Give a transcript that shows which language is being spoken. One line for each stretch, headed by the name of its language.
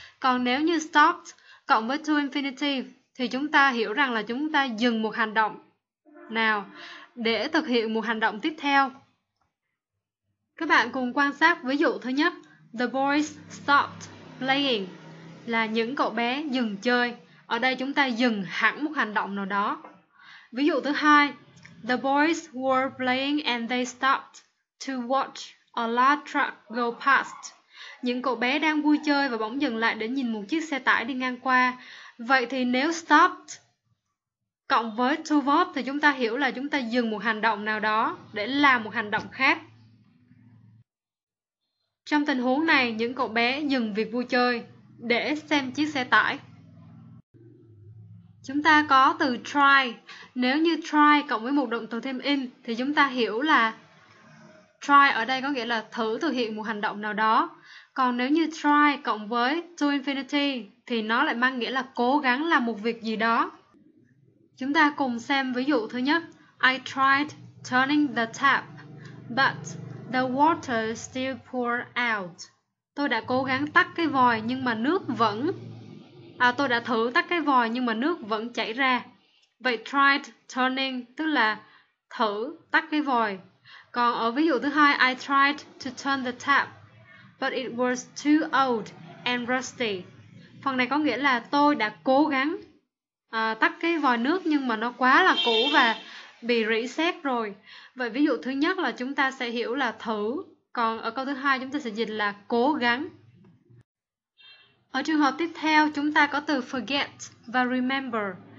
Vietnamese: Còn nếu như stop cộng với to infinitive thì chúng ta hiểu rằng là chúng ta dừng một hành động nào để thực hiện một hành động tiếp theo. Các bạn cùng quan sát ví dụ thứ nhất.
English: The boys stopped playing
Vietnamese: là những cậu bé dừng chơi. Ở đây chúng ta dừng hẳn một hành động nào đó. Ví dụ thứ hai,
English: the boys were playing and they stopped to watch a large truck go past.
Vietnamese: Những cậu bé đang vui chơi và bỗng dừng lại để nhìn một chiếc xe tải đi ngang qua. Vậy thì nếu stopped cộng với to watch thì chúng ta hiểu là chúng ta dừng một hành động nào đó để làm một hành động khác. Trong tình huống này, những cậu bé dừng việc vui chơi để xem chiếc xe tải. Chúng ta có từ try. Nếu như try cộng với một động từ thêm in thì chúng ta hiểu là try ở đây có nghĩa là thử thực hiện một hành động nào đó. Còn nếu như try cộng với to infinity thì nó lại mang nghĩa là cố gắng làm một việc gì đó. Chúng ta cùng xem ví dụ thứ nhất.
English: I tried turning the tap, but the water still poured out.
Vietnamese: Tôi đã cố gắng tắt cái vòi nhưng mà nước vẫn... Tôi đã thử tắt cái vòi nhưng mà nước vẫn chảy ra. Vậy tried turning tức là thử tắt cái vòi. Còn ở ví dụ thứ hai,
English: I tried to turn the tap, but it was too old and rusty.
Vietnamese: Phần này có nghĩa là tôi đã cố gắng tắt cái vòi nước nhưng mà nó quá là cũ và bị rỉ sét rồi. Vậy ví dụ thứ nhất là chúng ta sẽ hiểu là thử, còn ở câu thứ hai chúng ta sẽ dịch là cố gắng. Ở trường hợp tiếp theo chúng ta có từ forget và remember.